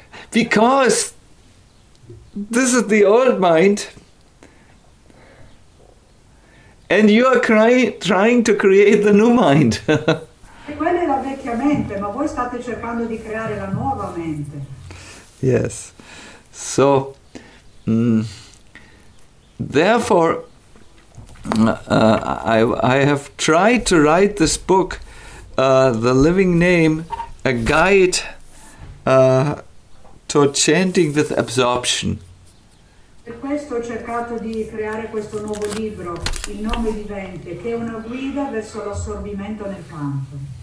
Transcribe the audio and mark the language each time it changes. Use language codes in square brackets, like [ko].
[en] Because this is the old mind, and you are trying to create the new mind. [it] Quella è la vecchia mente, ma voi state cercando di creare la nuova mente. [en] Yes, so therefore. I have tried to write this book, The Living Name, a guide to chanting with absorption. [it] Per questo ho cercato di creare questo nuovo libro, Il nome vivente, che è una guida verso l'assorbimento nel canto.